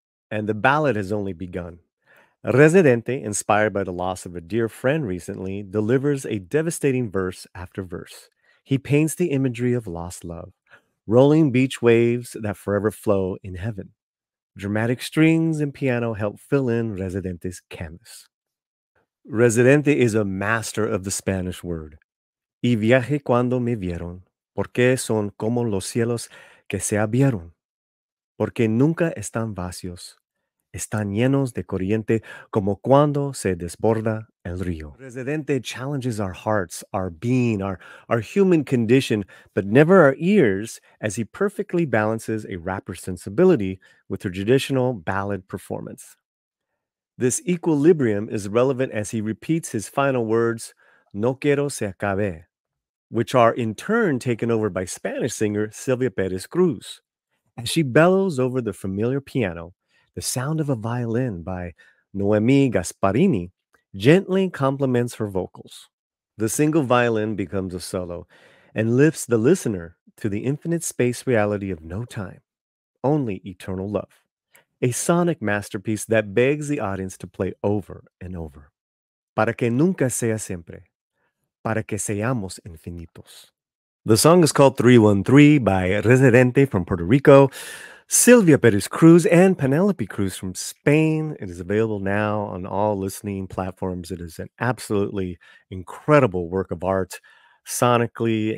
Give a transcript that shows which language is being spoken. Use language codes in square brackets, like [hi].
[en] And the ballad has only begun. Residente, inspired by the loss of a dear friend recently, delivers a devastating verse after verse. He paints the imagery of lost love, rolling beach waves that forever flow in heaven. Dramatic strings and piano help fill in Residente's canvas. Residente is a master of the Spanish word. [es] Y viaje cuando me vieron, porque son como los cielos que se abrieron. Porque nunca están vacíos, están llenos de corriente como cuando se desborda el río. [en] Residente challenges our hearts, our being, our human condition, but never our ears, as he perfectly balances a rapper's sensibility with a traditional ballad performance. This equilibrium is relevant as he repeats his final words, [es] "No quiero se acabe," [en] which are in turn taken over by Spanish singer Sylvia Perez Cruz. As she bellows over the familiar piano, the sound of a violin by Noemi Gasparini gently complements her vocals. The single violin becomes a solo and lifts the listener to the infinite space reality of no time, only eternal love. A sonic masterpiece that begs the audience to play over and over. [es] Para que nunca sea siempre. Para que seamos infinitos. [en] The song is called 313 by Residente from Puerto Rico, Sylvia Perez Cruz, and Penelope Cruz from Spain. It is available now on all listening platforms. It is an absolutely incredible work of art sonically.